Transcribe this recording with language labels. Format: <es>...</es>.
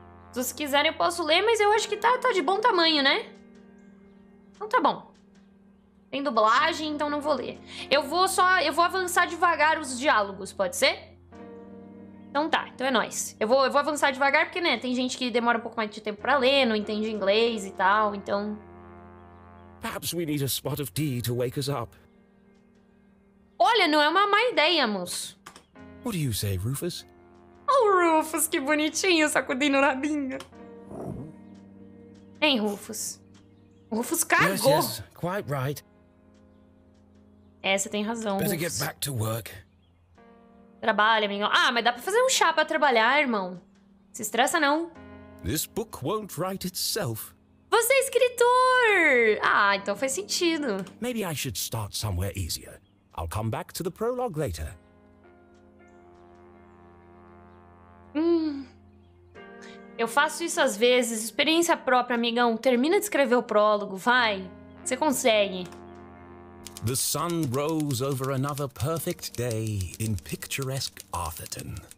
<pt>Se vocês quiserem, eu posso ler, mas eu acho que tá de bom tamanho, né? Então tá bom. Tem dublagem, então não vou ler. Eu vou avançar devagar os diálogos, pode ser? Então tá, então é nóis. Eu vou avançar devagar porque, né, tem gente que demora um pouco mais de tempo pra ler, não entende inglês e tal, então...</pt> <en>Perhaps we need a spot of tea to wake us up.</en> <pt>Olha, não é uma má ideia, moço.</pt> <en>What do you say, Rufus?</en> <pt>Oh, Rufus, que bonitinho, sacudindo o rabinho. Hein, Rufus? Rufus cagou.</pt> <en>Yes, yes, quite right.</en> <pt>É, você tem razão,</pt> <en>Better Rufus. Get back to work.</en> <pt>Trabalha, amigo. Ah, mas dá pra fazer um chá pra trabalhar, irmão. Se estressa, não.</pt> <en>This book won't write itself.</en> <pt>Você é escritor! Ah, então faz sentido.</pt> <en>Maybe I should start somewhere easier. I'll come back to the prologue later.</en> <pt>Eu faço isso às vezes, experiência própria, amigão. Termina de escrever o prólogo, vai. Você consegue.</pt> <en>The sun rose over another perfect day in picturesque Arthurton.</en>